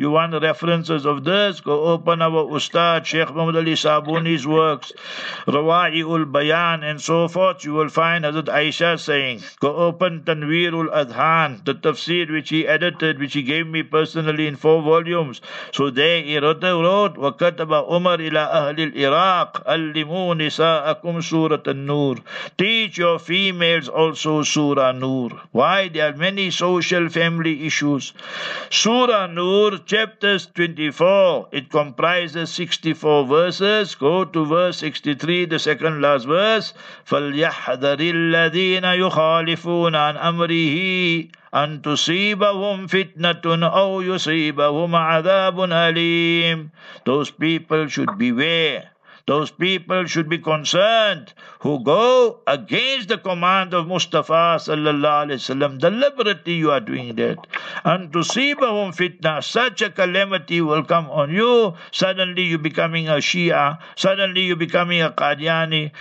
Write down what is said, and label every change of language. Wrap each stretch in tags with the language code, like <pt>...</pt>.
<en>You want references of this? Go open our Ustad, Sheikh Muhammad Ali Sabuni's works, Rawa'i'ul Bayan, and so forth. You will find Hazrat Aisha saying, go open Tanwirul Adhan, the seed which he edited, which he gave me personally in four volumes. So there he wrote,</en> <ar>وَكَتَبَ عُمَرْ إِلَىٰ أَهْلِ الْإِرَاقِ أَلِّمُوا نِسَاءَكُمْ سُورَةَ النُّورِ.</ar> <en>Teach your females also Surah Nur. Why? There are many social family issues. Surah Nur, chapters 24, it comprises 64 verses. Go to verse 63, the second last verse.</en> <ar>فَلْيَحْذَرِ الَّذِينَ يُخَالِفُونَ عَنْ أَمْرِهِ أن تصيبهم فتنة أو يصيبهم عذاب أليم.</ar> <en>Those people should beware. Those people should be concerned who go against the command of Mustafa sallallahu alaihi wasallam. Deliberately you are doing that. And</en> <ar>to sibahum fitna,</ar> <en>such a calamity will come on you. Suddenly you becoming a Shia. Suddenly you becoming a Qadiani.</en>